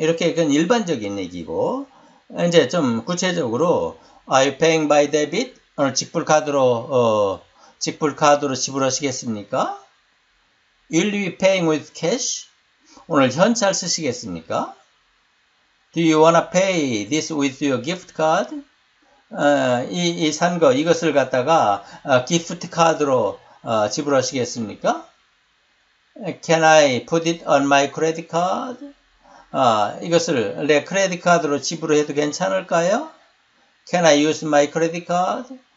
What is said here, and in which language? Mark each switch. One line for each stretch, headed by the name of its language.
Korean: 이렇게 그건 일반적인 얘기고, 이제 좀 구체적으로,
English: Are you paying by debit?
Korean: 오늘 직불카드로 지불하시겠습니까?
English: Will you be paying with cash?
Korean: 오늘 현찰 쓰시겠습니까?
English: Do you wanna pay this with your gift card?
Korean: 이것을 갖다가 기프트 카드로 지불하시겠습니까?
English: Can I put it on my credit card?
Korean: 이것을 내 credit 카드로 지불해도 괜찮을까요?
English: Can I use my credit card?